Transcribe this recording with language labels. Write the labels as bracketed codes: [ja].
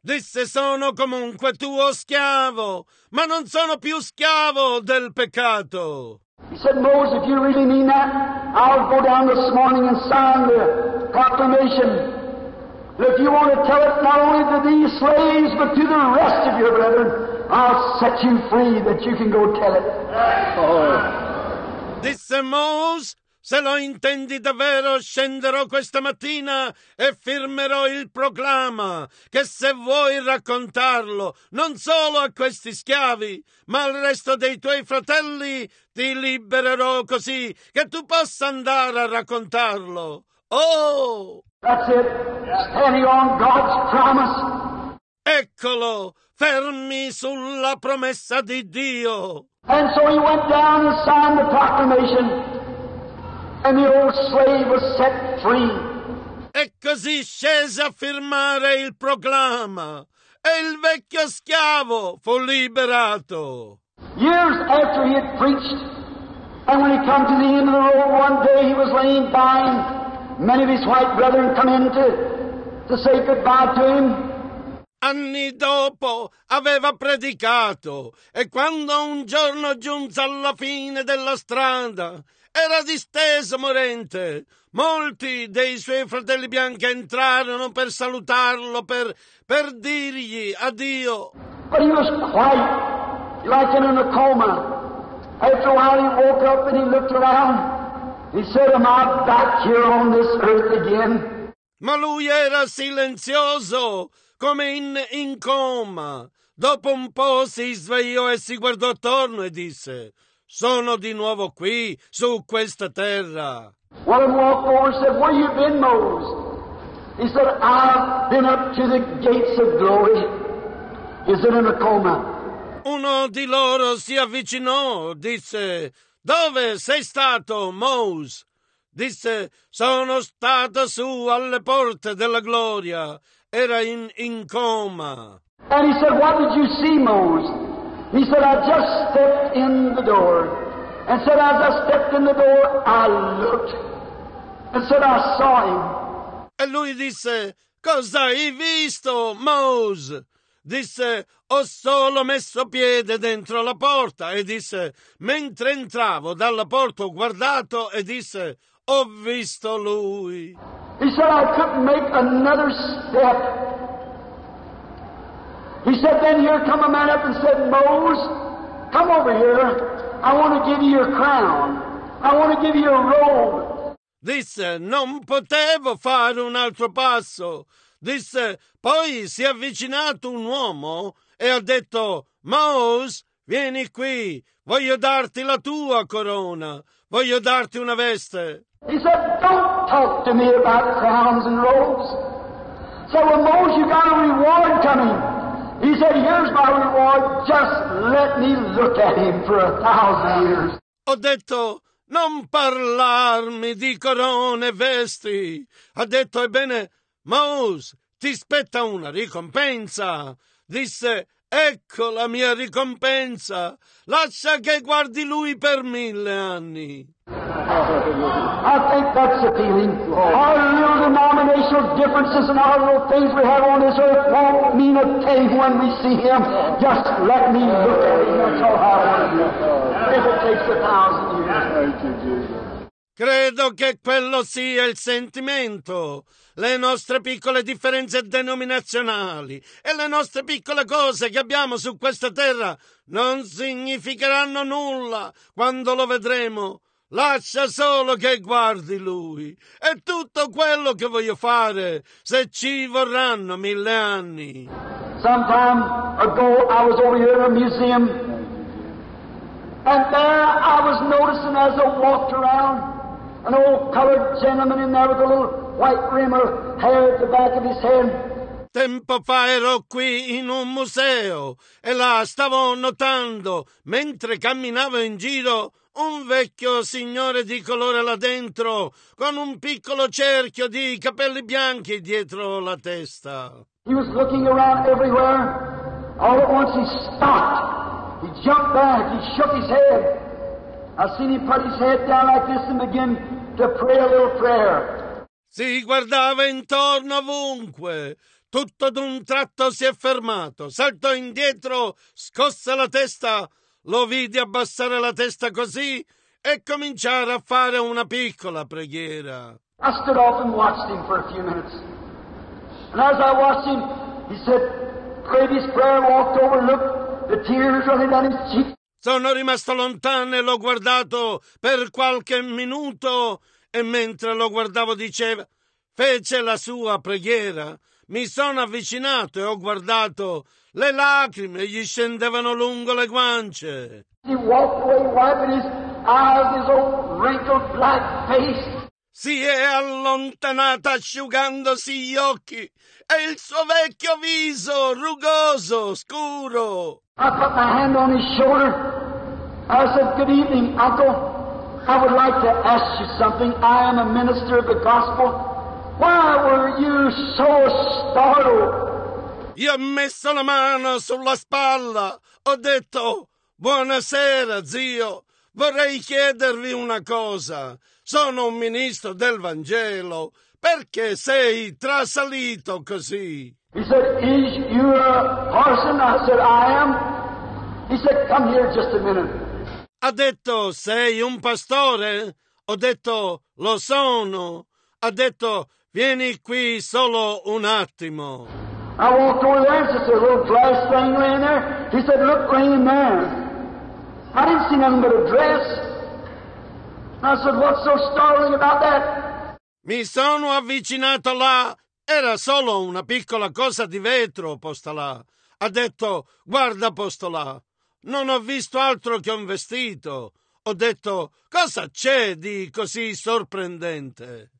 [it] Disse, sono comunque tuo schiavo, ma non sono più schiavo del peccato. [en] He said, Moses, if you really mean that, I'll go down this morning and sign the proclamation. If you want to tell it not only to these slaves, but to the rest of your brethren, I'll set you free that you can go tell it. Oh. [it] Disse Mose, se lo intendi davvero, scenderò questa mattina e firmerò il proclama, che se vuoi raccontarlo non solo a questi schiavi, ma al resto dei tuoi fratelli, ti libererò così che tu possa andare a raccontarlo. Oh! [en] That's it. Standing on God's promise. [it] Eccolo, fermi sulla promessa di Dio. [en] And so he went down and signed the proclamation, and the old slave was set free. [it] E così scese a firmare il proclama, e il vecchio schiavo fu liberato. [en] Years after he had preached, and when he came to the end of the road, one day he was laying dying. Many of his white brethren come in to say goodbye to him. [it] Anni dopo aveva predicato, e quando un giorno giunse alla fine della strada, era disteso morente. Molti dei suoi fratelli bianchi entrarono per salutarlo, per dirgli addio. [en] But he was quiet, like in a coma. After a while he woke up and he looked around. He said, am I back here on this earth again? [it] Ma lui era silenzioso, come in coma. Dopo un po' si svegliò e si guardò attorno e disse, sono di nuovo qui, su questa terra. [en] One of them walked over and said, where have you been, Moses? He said, I've been up to the gates of glory. Is it in a coma? [it] Uno di loro si avvicinò, disse, dove sei stato, Mose? Disse, sono stato su alle porte della gloria. Era in coma. [en] And he said, what did you see, Mose? He said, I just stepped in the door. And said, as I stepped in the door, I looked. And said, I saw him. [it] E lui disse, cosa hai visto, Mose? Disse, ho solo messo piede dentro la porta, e disse, mentre entravo dalla porta ho guardato, e disse, ho visto lui. [en] He said, I couldn't make another step. He said, then here come a man up and said, Mose, come over here, I want to give you your crown, I want to give you a robe. [it] Disse, non potevo fare un altro passo. Disse, poi si è avvicinato un uomo e ha detto, Mose, vieni qui, voglio darti la tua corona, voglio darti una veste. [en] He said, don't talk to me about crowns and robes. So, well, Mose, you got a reward coming. He said, here's my reward, just let me look at him for 1,000 years. [it] Ho detto, non parlarmi di corone e vesti. Ha detto, ebbene, Mose, ti spetta una ricompensa. Disse, ecco la mia ricompensa. Lascia che guardi lui per 1,000 anni. [en] I think that's appealing. Our real denominational differences and our little things we have on this earth won't mean a thing when we see him. Just let me look at him. That's all I want to do. If it takes 1,000 years. Thank you, Jesus. [it] Credo che quello sia il sentimento. Le nostre piccole differenze denominazionali e le nostre piccole cose che abbiamo su questa terra non significheranno nulla quando lo vedremo. Lascia solo che guardi lui. È tutto quello che voglio fare, se ci vorranno 1,000 anni. [en] Some time ago I was over here in a museum, and there I was noticing as I walked around an old colored gentleman in there with a little white rim of hair at the back of his head. [it] Tempo fa ero qui in un museo e là stavo notando, mentre camminavo in giro, un vecchio signore di colore là dentro, con un piccolo cerchio di capelli bianchi dietro la testa. [en] He was looking around everywhere. All at once he stopped. He jumped back. He shook his head. I seen him put his head down like this and begin to pray a little prayer. [it] Si guardava intorno ovunque. Tutto d'un tratto si è fermato. Saltò indietro, scosse la testa. Lo vidi abbassare la testa così e cominciare a fare una piccola preghiera. [en] I stood off and watched him for a few minutes. And as I watched him, he said, prayed his prayer, walked over, looked, the tears running down his cheek. [it] Sono rimasto lontano e l'ho guardato per qualche minuto e mentre lo guardavo diceva, fece la sua preghiera. Mi sono avvicinato e ho guardato, le lacrime gli scendevano lungo le guance. [en] He walked away wiping his eyes, his old wrinkled black face. [it] Si è allontanata asciugandosi gli occhi e il suo vecchio viso rugoso, scuro. [en] I put my hand on his shoulder. I said, good evening, uncle. I would like to ask you something. I am a minister of the gospel. Why were you so startled? [it] Io ho messo la mano sulla spalla. Ho detto, buonasera, zio. Vorrei chiedervi una cosa. Sono un ministro del Vangelo. Perché sei trasalito così? [en] He said, is you a parson? I said, I am. He said, come here just a minute. [it] Ha detto, sei un pastore? Ho detto, lo sono. Ha detto, vieni qui solo un attimo. [en] I walked over there, and there's a little dress thing laying there. He said, look, lame man. I didn't see nothing but a dress. I said, what's so startling about that? [it] Mi sono avvicinato là. Era solo una piccola cosa di vetro, postola. Ha detto, guarda, postola. Non ho visto altro che un vestito. Ho detto, cosa c'è di così sorprendente?